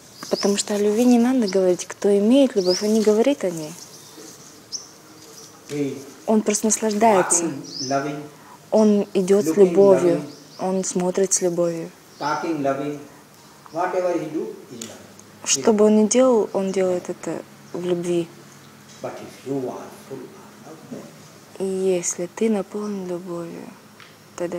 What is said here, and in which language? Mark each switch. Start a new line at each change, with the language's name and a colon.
Russian: потому что о любви не надо говорить. Кто имеет любовь, он не говорит о ней. Он просто наслаждается. Он идет с любовью. Он смотрит с любовью.
English: talking, loving, whatever he do is love.
Russian: Что бы он ни делал, он делает это в любви.
English: But if you are full of love,
Russian: и если ты наполнен любовью, тогда